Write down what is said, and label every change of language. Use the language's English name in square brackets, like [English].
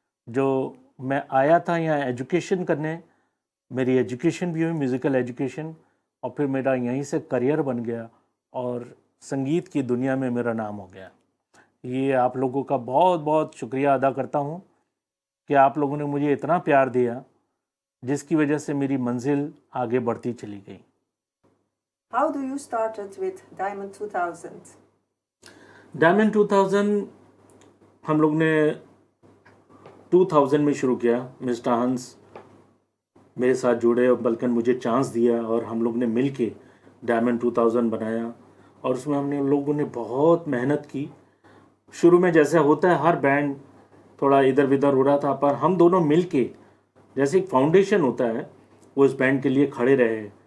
[Hindi] जो मैं आया था यहाँ एजुकेशन करने, मेरी एजुकेशन भी हुई म्यूज़िकल एजुकेशन, और फिर मेरा यहीं से करियर बन गया और संगीत की दुनिया में मेरा नाम हो गया। ये आप लोगों का बहुत बहुत शुक्रिया अदा करता हूँ कि आप लोगों ने मुझे इतना प्यार दिया, जिसकी वजह से मेरी मंजिल आगे बढ़ती चली गई। [English] How do you started with Diamond 2000? [Hindi] Diamond 2000 हम लोग ने 2000 में शुरू किया। मिस्टर हंस मेरे साथ जुड़े, बल्कि मुझे चांस दिया और हम लोग ने मिल के डायमंड 2000 बनाया। और उसमें हम लोगों ने बहुत मेहनत की। शुरू में जैसे होता है, हर बैंड थोड़ा इधर विधर हो रहा था, पर हम दोनों मिल के जैसे एक फाउंडेशन होता है, वो उस बैंड के लिए खड़े रहे।